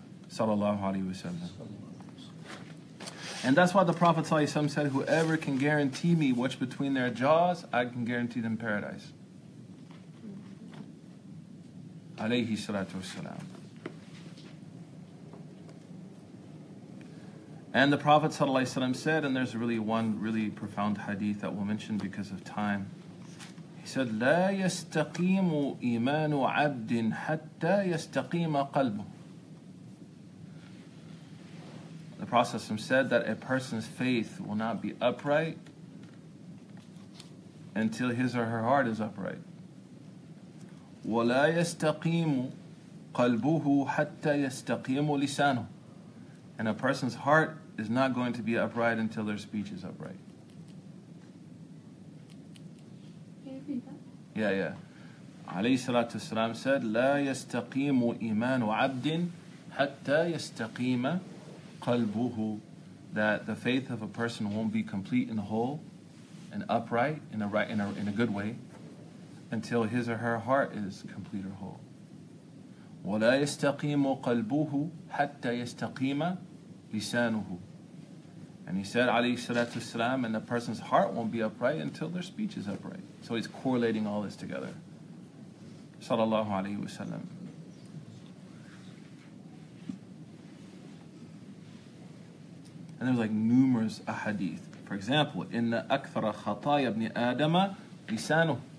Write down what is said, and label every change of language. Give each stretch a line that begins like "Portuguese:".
English: Sallallahu alayhi wa sallam. And that's why the Prophet sallallahu alayhi wa sallam said, whoever can guarantee me what's between their jaws, I can guarantee them paradise.
Arabic: Alayhi salatu wasalam.
English: And the Prophet sallallahu alayhi wa sallam said, and there's really one really profound hadith that we'll mention because of time. He said,
Arabic: لا يستقيم إيمان عبد حتى يستقيم قلبه.
English: The Prophet said that a person's faith will not be upright until his or her heart is upright.
Arabic: ولا يستقيم قلبه حتى يستقيم لسانه.
English: And a person's heart is not going to be upright until their speech is upright. Yeah.
Arabic: Alayhi salatu wasalam
English: said,
Arabic: لا يستقيم إيمان عبد حتى يستقيم قلبه.
English: That the faith of a person won't be complete and whole and upright in a right, in a good way until his or her heart is complete or whole.
Arabic: ولا يستقيم قلبه حتى يستقيم لسانه.
English: And he said, alayhi salatu wasalam, and the person's heart won't be upright until their speech is upright. So he's correlating all this together. Sallallahu alayhi wasallam. And there's like numerous ahadith. For example, in the
Arabic: أكثر خطايا ابن آدم لسانه.